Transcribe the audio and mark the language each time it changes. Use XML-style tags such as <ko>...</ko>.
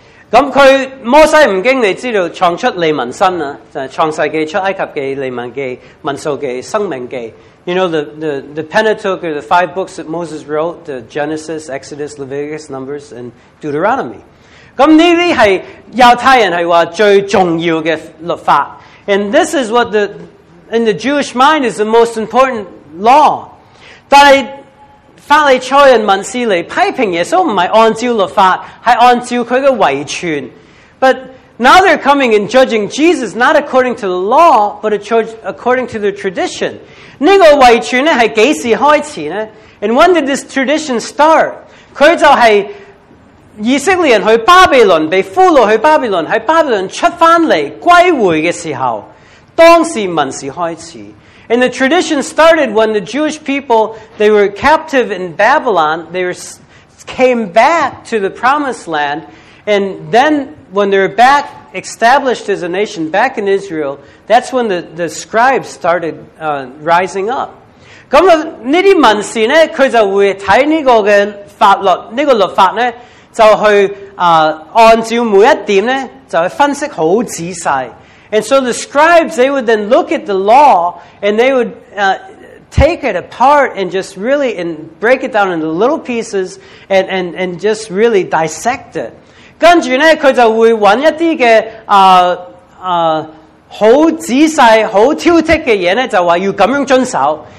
<yue>咁佢摩西五經你知道創出利民申啊，就係創世記、出埃及記、利民記、民數記、生命記。</yue> <en>You know the Pentateuch or the five books that Moses wrote: the Genesis, Exodus, Leviticus, Numbers, and Deuteronomy.</en> <yue>咁呢啲係猶太人係話最重要嘅律法</yue> <en>，and this is what in the Jewish mind is the most important. Law,</en> <yue>但係法利賽人文士嚟批評耶穌唔係按照律法，係按照佢嘅遺傳。</yue> <en>But now they're coming and judging Jesus not according to the law, but according to the tradition.</en> <yue>呢個遺傳咧係幾時開始咧</yue> <en>？And when did this tradition start?</en> <yue>佢就係以色列人去巴比倫被俘虜去巴比倫，喺巴比倫出翻嚟歸回嘅時候，當時文士開始。</yue> <en>And the tradition started when the Jewish people, they were captive in Babylon, they came back to the promised land, and then when they were back established as a nation back in Israel, that's when the scribes started rising up.</en> <yue>咁呢啲文士呢，佢就会睇呢个嘅法律，呢个律法呢，就去按照每一点呢，就去分析好仔细。</yue> <en>And so the scribes, they would then look at the law and they would take it apart and just really and break it down into little pieces and just really dissect it.</en> <yue>跟住呢佢就会搵一啲嘅好仔细好挑剔嘅嘢呢就话要咁样遵守。</yue>